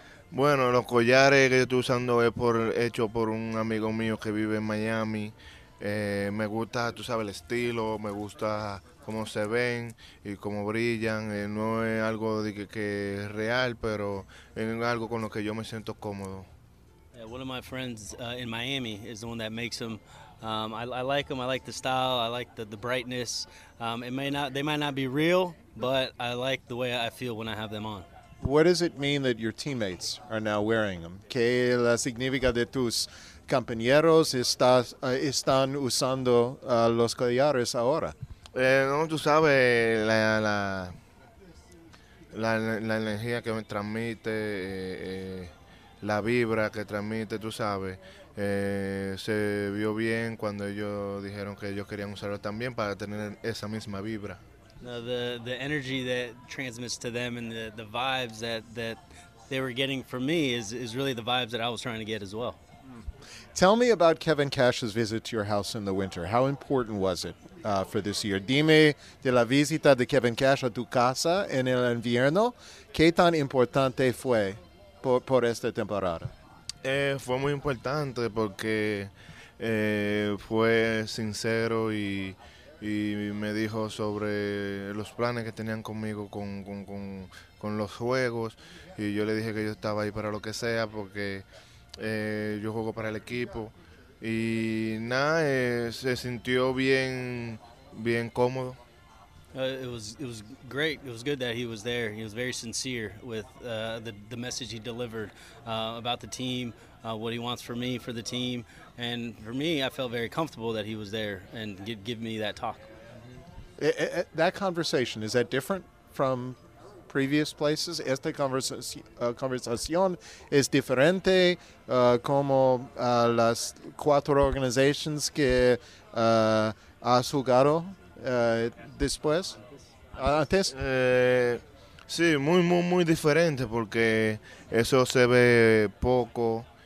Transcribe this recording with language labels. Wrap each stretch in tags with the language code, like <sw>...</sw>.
<es>Bueno, los collares que yo estoy usando es hecho por un amigo mío que vive en Miami. Me gusta, tú sabes, el estilo, me gusta cómo se ven y cómo brillan. No es algo que es real, pero es algo con lo que yo me siento cómodo.</es> <en>Yeah, one of my friends in Miami is the one that makes them. I like them, I like the style, I like the brightness. They might not be real, but I like the way I feel when I have them on. What does it mean that your teammates are now wearing them?</en> <es>¿Qué la significa de tus compañeros están usando los collares ahora? No, tú sabes la energía que me transmite, la vibra que transmite, tú sabes. Se vio bien cuando ellos dijeron que ellos querían usarlo también para tener esa misma vibra.</es> <en>No, the energy that transmits to them and the vibes that they were getting from me is really the vibes that I was trying to get as well. Tell me about Kevin Cash's visit to your house in the winter. How important was it for this year?</en> <es>Dime de la visita de Kevin Cash a tu casa en el invierno. ¿Qué tan importante fue por esta temporada? Fue muy importante porque fue sincero y me dijo sobre los planes que tenían conmigo con los juegos. Y yo le dije que yo estaba ahí para lo que sea porque... yo juego para el equipo y nada, se sintió bien cómodo.</es> <en>It was great. It was good that he was there. He was very sincere with the message he delivered about the team, what he wants for me, for the team, and for me, I felt very comfortable that he was there and give me that talk. That conversation, is that different from previous places?</en> <es>Esta conversación es diferente como las cuatro organizaciones que has jugado después? ¿Antes? Sí, muy, muy, muy diferente porque eso se ve poco.</es>